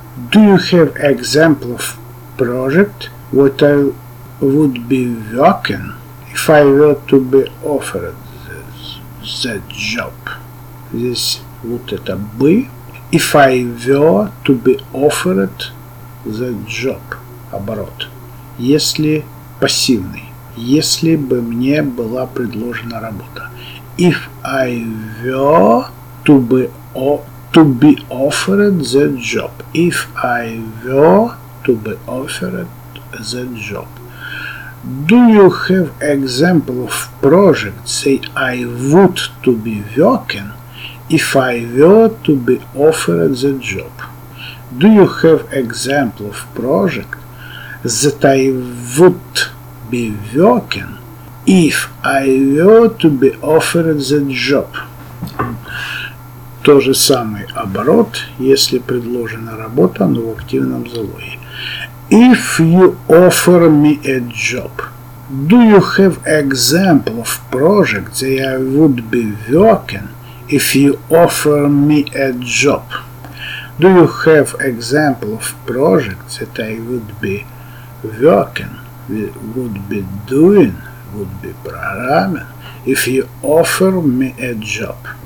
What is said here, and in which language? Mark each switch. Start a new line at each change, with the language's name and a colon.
English: Do you have example of project what I would be working if I were to be offered that job? This would
Russian: это бы.
English: If I were to be offered that job.
Russian: Оборот. Если пассивный. Если бы мне была предложена работа.
English: If I were to be offered that job. If I were to be offered that job. Do you have example of project say I would to be working if I were to be offered the job? Do you have example of project that I would be working if I were to be offered the job?
Russian: То же самое оборот, если предложена работа, но в активном залоге.
English: If you offer me a job, do you have example of project that I would be working if you offer me a job? Do you have example of project that I would be working, would be doing, would be programming if you offer me a job?